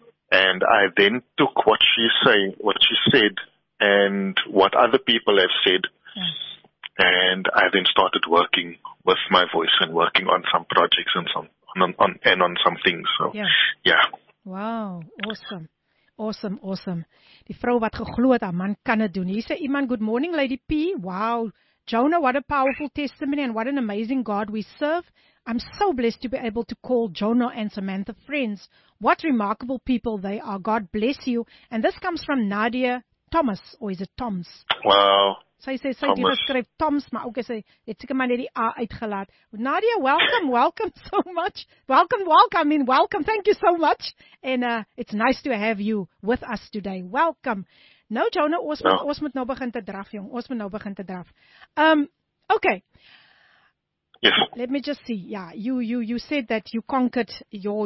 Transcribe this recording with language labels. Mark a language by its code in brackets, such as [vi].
[en] And I then took what she said and what other people have said. And I then started working with my voice and working on some projects and some on some things. So yeah. Wow, awesome. [af] Die vrou wat geglo het, haar man kan het doen. [en] Hier sê iemand, good morning, Lady P. Wow, Jonah, what a powerful testimony and what an amazing God we serve. I'm so blessed to be able to call Jonah and Samantha friends. What remarkable people they are. God bless you. And this comes from Nadia Thomas, or is it Toms? Wow. [af] Sy die beskryf Toms, maar ook sy het seker maar net die A uitgelaat. [en] Nadia, welcome so much. Welcome. Thank you so much. And it's nice to have you with us today. [af] Welcome. Nou, Jonah, ons moet nou begin te draf, jong. Ons moet nou begin te draf. Okay. [en] Yes. Let me just see. Yeah, you said that you conquered your.